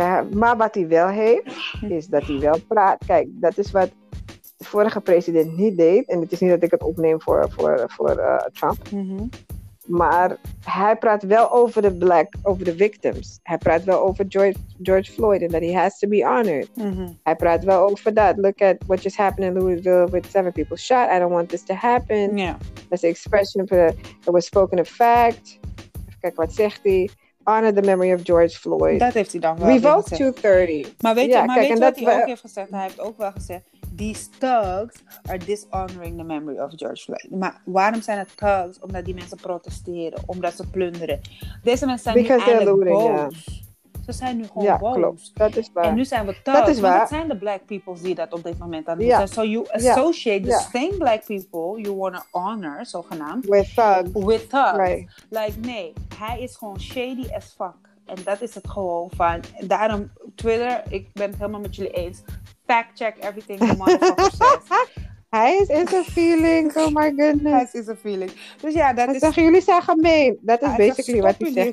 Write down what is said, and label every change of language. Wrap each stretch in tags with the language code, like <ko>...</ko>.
<nl>Maar wat hij wel heeft, is dat hij wel praat. Kijk, dat is wat de vorige president niet deed. En het is niet dat ik het opneem voor Trump. Mm-hmm. Maar hij praat wel over de victims. Hij praat wel over George Floyd en dat</nl> <en>he has to be honored. Mm-hmm.</en> <nl>Hij praat wel over dat.</nl> <en>Look at what just happened in Louisville with 7 people shot. I don't want this to happen. Yeah. That's the expression for it was spoken a fact.</en> <nl>Kijk, wat zegt hij?</nl> <en>Honor the memory of George Floyd.</en> <nl>Dat heeft hij dan wel</nl> <en>Revoke</en> <nl>gezegd. Revoke 230. Maar weet je wat hij ook heeft gezegd? Hij heeft ook wel gezegd,</nl> <en>these thugs are dishonoring the memory of George Floyd.</en> <nl>Maar waarom zijn het thugs? Omdat die mensen protesteren, omdat ze plunderen. Deze mensen zijn</nl> <en>Because</en> <nl>nu eigenlijk</nl> <en>looting,</en> <nl>boos.</nl> <en>Yeah.</en> <nl>Ze zijn nu gewoon boos. Klopt. Dat is waar. En nu zijn we thugs. Dat is waar. Het zijn de black people die dat op dit moment aan doen.</nl> <en>Yeah. So you associate the same black people you want to honor,</en> <nl>zogenaamd.</nl> <en>With thugs. Right. Like,</en> <nl>nee. Hij is gewoon</nl> <en>shady as fuck.</en> <nl>En dat is het gewoon van... Daarom, Twitter, ik ben het helemaal met jullie eens.</nl> <en>Fact check everything the motherfucker says.</en> <nl>Hij is in zijn feelings,</nl> <en>oh my goodness.</en> <nl>Hij is in zijn feelings. Dus ja, dat is... Zeggen jullie zijn gemeen. Dat is basically wat hij zegt.</nl>